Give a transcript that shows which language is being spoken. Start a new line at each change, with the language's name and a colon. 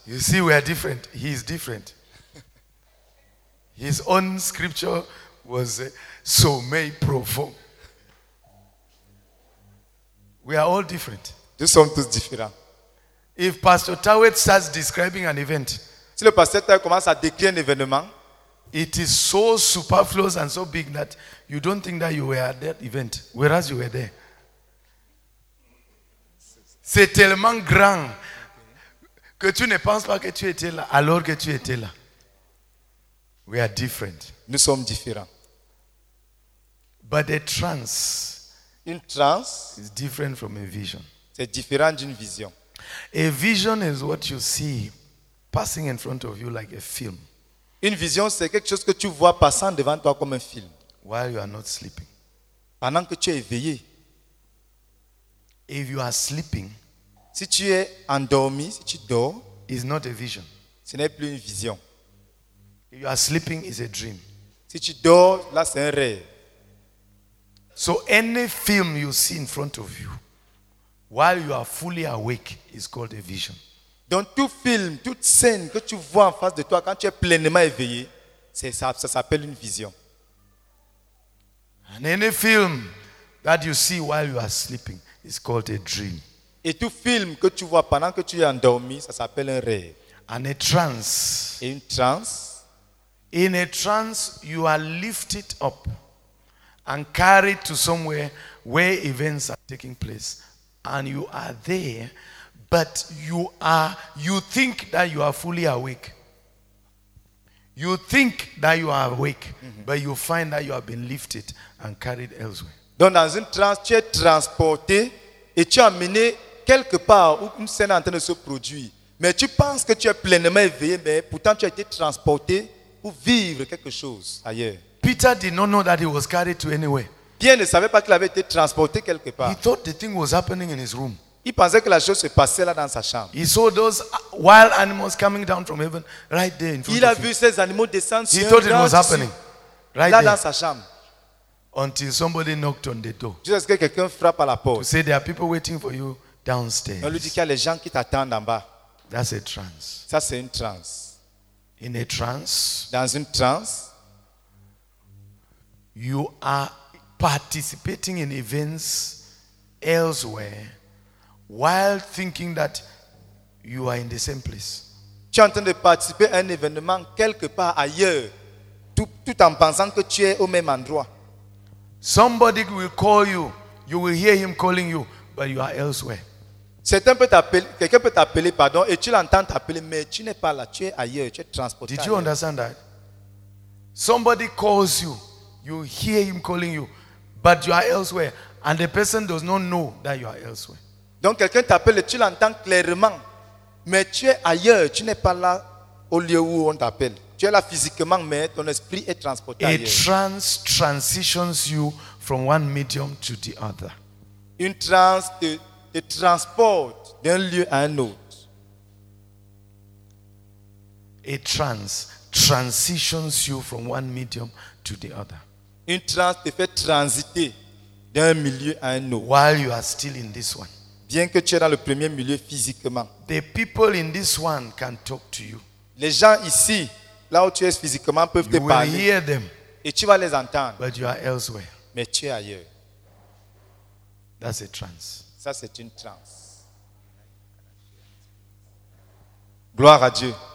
English: You see, we are different. He is different. His own scripture was
French: sommeil profond.
English: We are all different.
French: Nous sommes tous différents.
English: If Pastor Tawet starts describing an event,
French: si le pasteur Tawet commence à décrire un événement,
English: it is so superfluous and so big that you don't think that you were at that event, whereas you were there.
French: C'est tellement grand que tu ne penses pas que tu étais là, alors que tu étais là.
English: We are different.
French: Nous sommes différents.
English: But a trance,
French: une trance,
English: is different from a vision.
French: C'est différent d'une vision.
English: A vision is what you see passing in front of you like a film.
French: Une vision, c'est quelque chose que tu vois passant devant toi comme un film.
English: While you are not sleeping.
French: Pendant que tu es éveillé.
English: If you are sleeping,
French: si tu es endormi, si tu dors,
English: is not a vision.
French: Ce n'est plus une vision.
English: If you are sleeping, is a dream.
French: Si tu dors, là c'est un rêve.
English: So any film you see in front of you while you are fully awake is called a vision.
French: Donc tout film, toute scène que tu vois en face de toi quand tu es pleinement éveillé, ça s'appelle une vision.
English: And any film that you see while you are sleeping is called a dream.
French: Et tout film que tu vois pendant que tu es endormi, ça s'appelle un rêve.
English: And a trance.
French: Et une trance.
English: In a trance, you are lifted up and carried to somewhere where events are taking place, and you are there. But you think that you are fully awake. You think that you are awake, mm-hmm. But you find that you have been lifted and carried elsewhere.
French: Donc dans une transe, tu es transporté et tu es amené quelque part où une scène est en train de se produire. Mais tu penses que tu es pleinement éveillé, mais pourtant tu as été transporté pour vivre quelque chose ailleurs.
English: Peter did not know that he was carried to anywhere.
French: Pierre ne savait pas qu'il avait été transporté quelque part.
English: He thought the thing was happening in his room.
French: Il pensait que la chose se passait là dans sa chambre.
English: He saw those wild animals coming down from heaven right there in front of him.
French: Il a vu ces animaux descendre sur un grand.
English: He thought it was happening right
French: là
English: there.
French: Dans sa chambre.
English: Until somebody knocked on the door.
French: Jusqu'à ce que quelqu'un frappe à la porte.
English: To say there are people waiting for you downstairs.
French: On lui dit qu'il y a les gens qui t'attendent en bas.
English: That's a trance.
French: Ça c'est une trance.
English: In a trance.
French: Dans une trance.
English: You are participating in events elsewhere while thinking that you are in the same place.
French: Tu es en train de participer à un événement quelque part ailleurs, tout en pensant que tu es au même endroit.
English: Somebody will call you, you will hear him calling you, but you are elsewhere.
French: Quelqu'un peut t'appeler, pardon, et tu l'entends t'appeler, mais tu n'es pas là, tu es ailleurs, tu es transporté.
English: Did you understand that? Somebody calls you. You hear him calling you, but you are elsewhere. And the person does not know that you are elsewhere.
French: Donc quelqu'un t'appelle et tu l'entends clairement. Mais tu es ailleurs, tu n'es pas là au lieu où on t'appelle. Tu es là physiquement, mais ton esprit est transporté ailleurs.
English: A trance transitions you from one medium to the other.
French: Une trance te transporte d'un lieu à un autre.
English: A trance transitions you from one medium to the other.
French: Une transe te fait transiter d'un milieu à un autre.
English: While you are still in this one.
French: Bien que tu es dans le premier milieu physiquement.
English: The people in this one can talk to you.
French: Les gens ici, là où tu es physiquement, peuvent
English: you
French: te parler.
English: You will hear them.
French: Et tu vas les entendre.
English: But you are elsewhere.
French: Mais tu es ailleurs.
English: That's a trance.
French: Ça, c'est une transe. Gloire à Dieu.